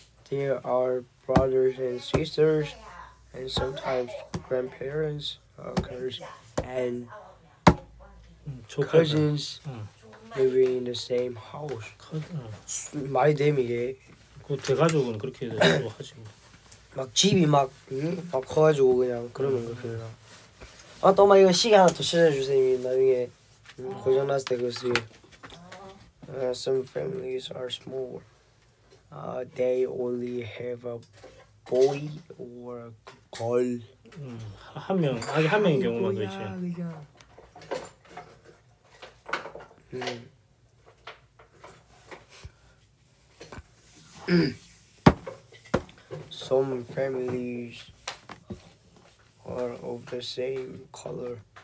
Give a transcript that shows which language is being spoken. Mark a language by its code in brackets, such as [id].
[en] There are brothers and sisters, and sometimes grandparents, uncles, and cousins living in the same house. [ko] 말이 됨 이게. 그 대가족은 그렇게도 하지. 막 집이 막 막 커가지고 그냥 그러면 그렇구나. 아, 또 엄마 이거 시계 하나 더 찾아주세요. 나중에 고장 났을 때 그거 쓰기. [en] Some families are small. They only have a boy or a girl. [ko] 한 명, 아기 한 명인 경우만 그렇지. [en] Some families are of the same color.